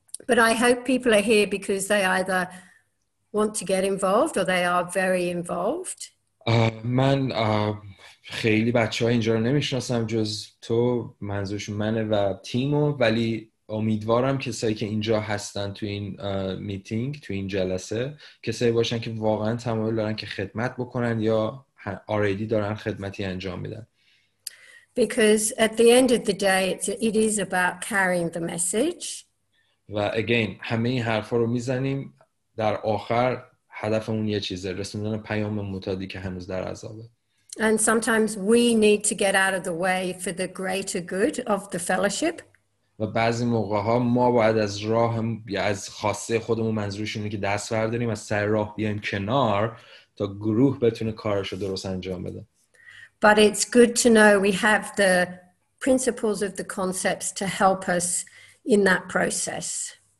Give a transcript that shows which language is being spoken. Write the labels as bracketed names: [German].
[English] But I hope people are here because they either want to get involved or they are very involved. [Persian] من خیلی بچه های اینجا رو نمیشناسم جز تو، منظورش منه و تیمو، ولی امیدوارم کسایی که اینجا هستن تو این میتینگ، تو این جلسه، کسایی باشن که واقعا تمایل دارن که خدمت بکنن یا آریدی دارن خدمتی انجام میدن. [English] Because at the end of the day it is about carrying the message. [Persian] و [English] again [Persian] همه این حرفا رو میزنیم، در آخر هدفمون یه چیزه، رسوندن پیام متعدی که هنوز در عذابه. [English] And sometimes we need to get out of the way for the greater good of the fellowship. [Persian] و بعضی موقع ها ما باید از راه یا از خاصه خودمون، منظورش اینه که دست برداریم از سر راه بیایم کنار تا گروه بتونه کارش رو درست انجام بده. [English] But it's good to know we have the principles of the concepts to help us in that process.